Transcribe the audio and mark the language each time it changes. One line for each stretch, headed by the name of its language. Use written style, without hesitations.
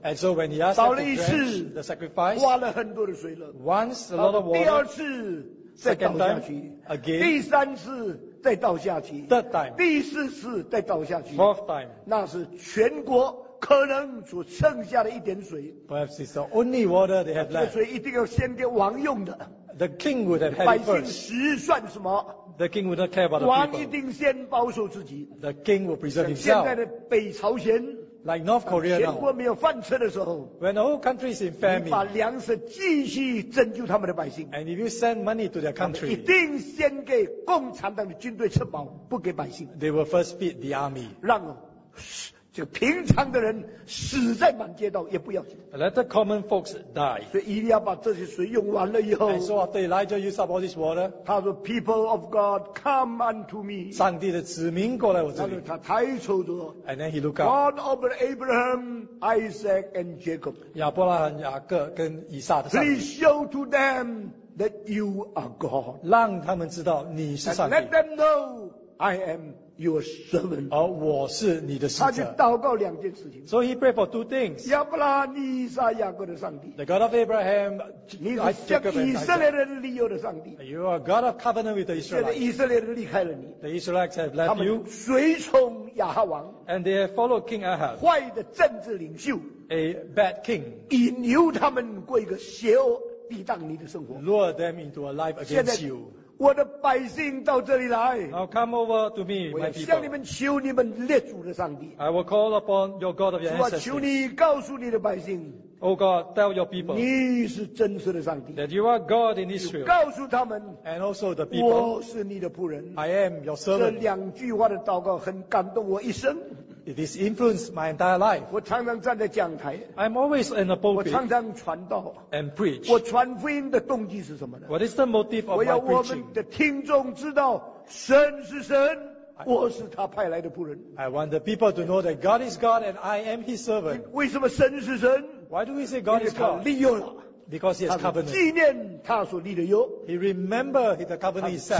English: ，And so when he asked them to drench the sacrifice,
Chinese: 花了很多的水了。
English: Once a lot of water.
Chinese: 第二次再倒下去
English: ，Again.
Chinese: 第三次再倒下去
English: ，Third time.
Chinese: 第四次再倒下去
English: ，Fourth time.
Chinese: 那是全国。可能所剩下的一点水
English: ，Perhaps it's the only water they have left。
Chinese: 这个水一定要先给王用的。
English: The king would have had it first。
Chinese: 百姓实算什么
English: ？The king would not care about the
Chinese: people。王一定先保守自己。
English: The king will preserve himself。
Chinese: 现在的北朝鲜
English: ，Like North Korea now。
Chinese: 全国没有饭吃的时候
English: ，When the whole country is in famine。
Chinese: 把粮食继续拯救他们的百姓。
English: And if you send money to their country，
Chinese: 一定先给共产党的军队吃饱，不给百姓。
English: They will first feed the army。
Chinese: 让。这个平常的人死在满街道也不要紧。
English: Let the common folks die。
Chinese: 所以以利亚把这些水用完了以后
English: ，And so after Elijah used up all this water，
Chinese: 他说
English: ，People of God, come unto me。
Chinese: 上帝的子民过来我这里。他抬头说
English: ，And then he looked up。 God of Abraham, Isaac, and Jacob。
Chinese: 亚伯拉罕、雅各跟以撒的上帝。
English: Please show to them that you are God。
Chinese: 让他们知道你是上帝。
English: Let them know I am。 Your servant，
Chinese: 而我是你的使者。他就祷告两件事情。
English: So he prayed for two things。
Chinese: 亚伯拉罕、以撒、雅各的上帝。
English: The God of Abraham，
Chinese: 你是向以色列人立约的上帝。
English: You are God of covenant with the Israelites。
Chinese: 现在以色列人离开了你。
English: The Israelites have left you。
Chinese: 他们随从亚哈王。
English: And they have followed King Ahab。
Chinese: 坏的政治领袖。
English: A bad king。
Chinese: 引诱他们过一个邪恶、抵挡你的生活。
English: Lure them into a life against you。
Chinese: 我的百姓到这里来。
English: Now come over to me, my people.
Chinese: 我要向你们求你们列祖的上帝。
English: I will call upon your God of your ancestors.
Chinese: 求你告诉你的百姓。
English: Oh God, tell your people.
Chinese: 你是真实的上帝。
English: That you are God in Israel.
Chinese: 告诉他们。
English: And also the people.
Chinese: 我是你的仆人。
English: I am your servant.
Chinese: 这两句话的祷告很感动我一生。
English: It has influenced my entire life.
Chinese: 我常常站在讲台。
English: I'm always in a pulpit.
Chinese: 我常常传道。
English: And preach.
Chinese: 我传福音的动机是什么呢
English: ？What is the motive of my preaching?
Chinese: 我要我们的听众知道，神是神，我是他派来的仆人。
English: I want the people to know that God is God and I am His servant.
Chinese: 为什么神是神
English: ？Why do we say God is God?
Chinese: 利用了。
English: Because he has covenant.
Chinese: 纪念他所立的约。
English: He remembers the covenant he set.